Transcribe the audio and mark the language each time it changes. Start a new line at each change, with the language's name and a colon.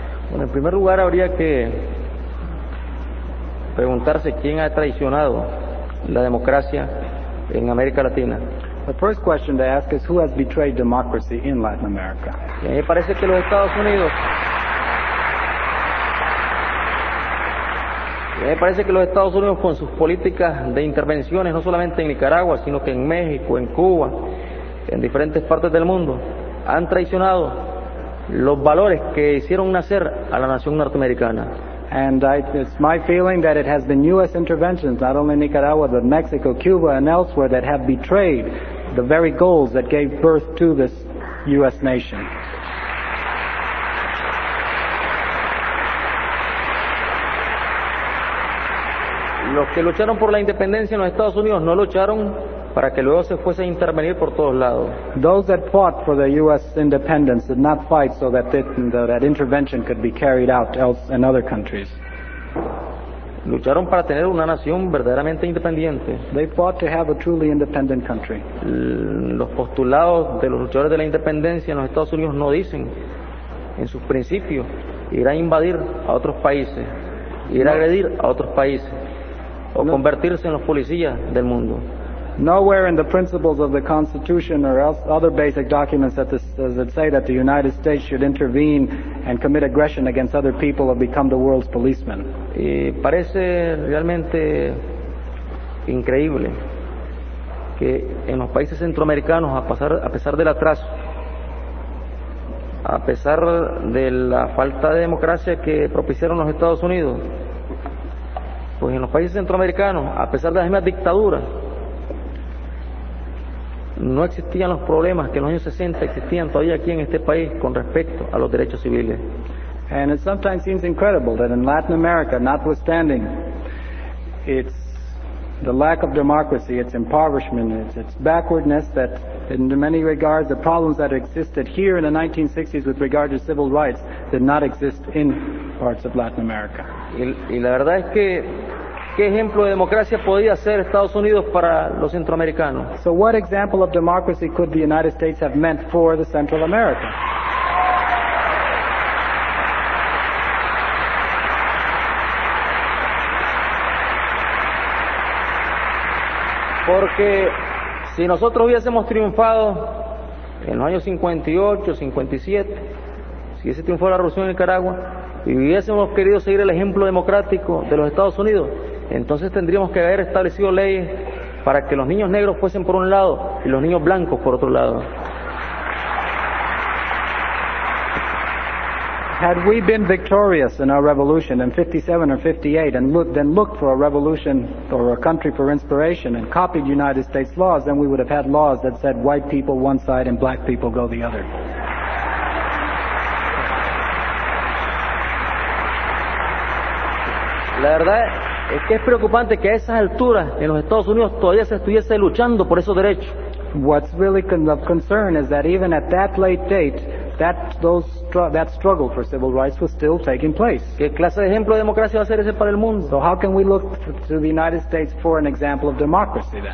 Spanish: Bueno, en primer lugar habría que preguntarse quién ha traicionado la democracia en América Latina.
English: The first question to ask is, who has betrayed democracy in Latin America?
Spanish: Me parece que los Estados Unidos. Me parece que los Estados Unidos, con sus políticas de intervenciones, no solamente en Nicaragua, sino que en México, en Cuba, en diferentes partes del mundo, han traicionado los valores que hicieron nacer a la nación norteamericana.
English: And it's my feeling that it has been U.S. interventions, not only in Nicaragua, but Mexico, Cuba, and elsewhere, that have betrayed the very goals that gave birth to this U.S. nation.
Spanish: Los que lucharon por la independencia en los Estados Unidos no lucharon para que luego se fuese a intervenir por todos lados.
English: Those that fought for the U.S. independence did not fight so that that intervention could be carried out else in other countries.
Spanish: Lucharon para tener una nación verdaderamente independiente.
English: They fought to have a truly independent country.
Spanish: Los postulados de los luchadores de la independencia en los Estados Unidos no dicen, en sus principios, ir a invadir a otros países, ir a agredir a otros países, o convertirse en los policías del mundo.
English: Nowhere in the principles of the Constitution or else other basic documents that say that the United States should intervene and commit aggression against other people or become the world's policeman.
Spanish: Y parece realmente increíble que en los países centroamericanos, a pesar del atraso, a pesar de la falta de democracia que propiciaron los Estados Unidos, pues en los países centroamericanos, a pesar de las mismas dictaduras, no existían los problemas que en los años 60 existían todavía aquí en este país con respecto a los derechos civiles.
English: And it sometimes seems incredible that in Latin America, notwithstanding its the lack of democracy, its impoverishment, its backwardness, that in many regards the problems that existed here in the 1960s with regard to civil rights did not exist in parts of Latin America.
Spanish: Y la verdad es que ¿qué ejemplo de democracia podía ser Estados Unidos para los centroamericanos?
English: So what example of democracy could the United States have meant for the Central America?
Spanish: Porque si nosotros hubiésemos triunfado en los años 58, 57, si hubiese triunfado la revolución en Nicaragua y hubiésemos querido seguir el ejemplo democrático de los Estados Unidos, entonces tendríamos que haber establecido leyes para que los niños negros fuesen por un lado y los niños blancos por otro lado.
English: Had we been victorious in our revolution in 57 or 58 and looked for a revolution or a country for inspiration and copied United States laws, then we would have had laws that said white people one side and black people go the other.
Spanish: La verdad es que es preocupante que a esas alturas en los Estados Unidos todavía se estuviese luchando por esos derechos.
English: What's really of concern is that even at that late date, that struggle for civil rights was still taking place.
Spanish: ¿Qué clase de ejemplo de democracia va a ser ese para el mundo?
English: So how can we look to the United States for an example of democracy then?